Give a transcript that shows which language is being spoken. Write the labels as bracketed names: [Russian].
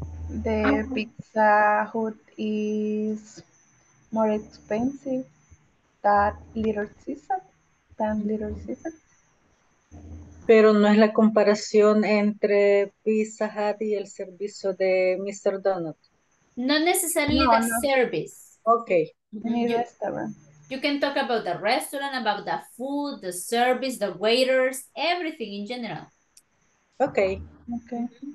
[English] The Pizza Hut is more expensive than Little Caesar. [Spanish] Pero no es la comparación entre Pizza Hut y el servicio de Mr. Donut. [English] Not necessarily service. Okay. [Spanish] Mi restaurant. [English] You can talk about the restaurant, about the food, the service, the waiters, everything in general. Okay. Okay.